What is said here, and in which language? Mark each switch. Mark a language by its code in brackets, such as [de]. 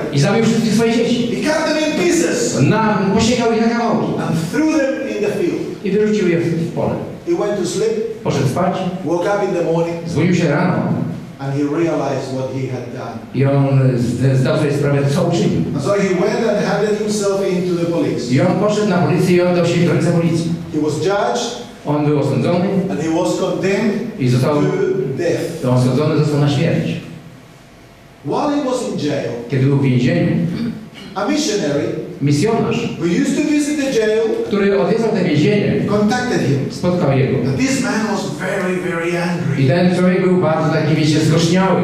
[pl] I zabił wszystkie swoje dzieci. [en] He cut them in pieces. [pl] Posiekał ich na kawałki. [en] And threw them in the field. [pl] I wyrzucił je w pole. [en] He went to sleep. [pl] Poszedł spać. [en] Woke up in the morning. [pl] Zbudził się rano. [en] And he realized what he had done. [pl] I on zdał sobie sprawę, co uczynił. [en] And so he went and handed himself into the police. [pl] I on poszedł na policję i oddał się w ręce policji. [en] He was judged. [pl] On był osądzony. [en] And he was condemned. [pl] I został [en] to death. [pl] To osądzony został na śmierć. [en] While he was in jail. [pl] Kiedy był w więzieniu. [en] A missionary. [pl] Misjonarz, [en] who used to visit the jail, [pl] który odwiedzał te więzienie, [en] contacted him. [pl] Spotkał jego. [en] And this man was very, very angry. [pl] I ten człowiek był bardzo taki, wiecie, zgorzniały.